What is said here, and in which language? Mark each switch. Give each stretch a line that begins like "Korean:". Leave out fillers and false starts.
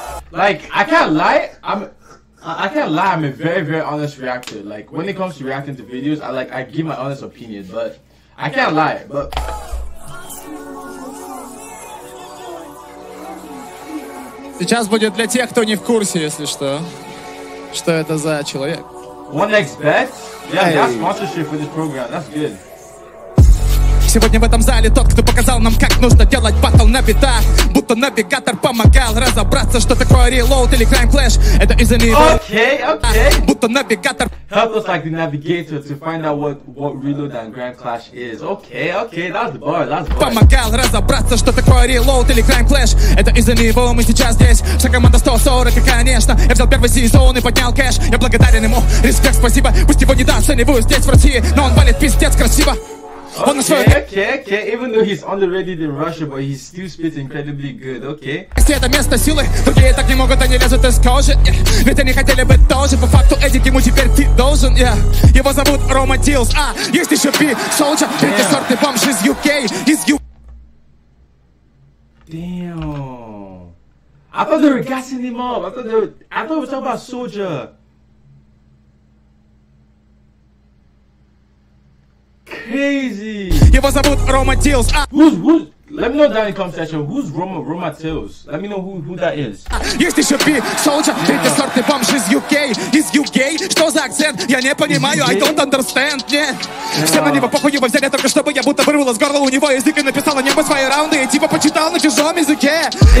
English: Like, I can't lie, I'm a very, very honest reactor. Like, when it comes to reacting to videos, I give my honest opinion, but I can't lie, but...
Russian: Сейчас будет для тех, кто не в курсе, если что, что это за человек.
English: One next bet? Yeah, hey. That's sponsorship for this program, that's good.
Russian: Сегодня в этом зале тот, кто показал нам, как нужно делать батл на битах. Будто навигатор помогал разобраться, что такое reload или crime clash. Это из-за него.
English: Okay.
Russian: Будто навигатор.
English: Help us like the navigator to find out what reload and crime clash is. Okay, that's the bar.
Russian: Помогал разобраться, что такое reload или crime clash. Это из-за него мы сейчас здесь. Вся команда 140, и конечно, я взял первый сезон и поднял кэш. Я благодарен ему, респект, спасибо. Пусть его недооценивают здесь, в России, но он валит пиздец красиво.
English: Okay. Even though he's underrated in Russia, but he still spits incredibly good. Okay.
Russian: Все это место силы, другие так не могут, они лезут из кожи. Ведь они хотели бы тоже. По факту Эдик ему теперь ты должен. Его зовут Рома Дилс. А есть еще Би Солджа, третий сорт и бомж из UK. Из UK.
English: Damn. I thought they were gassing him up. I thought we were talking about Solja. Crazy.
Russian: Его зовут Рома Тилс.
English: Who's? Let me know down in the comment section. Who's Рома Тилс? Let me know who that is.
Russian: Есть еще Би Солджа, третий сорт и бомж из UK. Из UK? Что за акцент? Я не понимаю.
English: I don't understand.
Russian: Нет. Все на него похуй, его взяли только чтобы я будто вырвала с горла у него язык и написала небо свои раунды и типа почитал на чужом языке.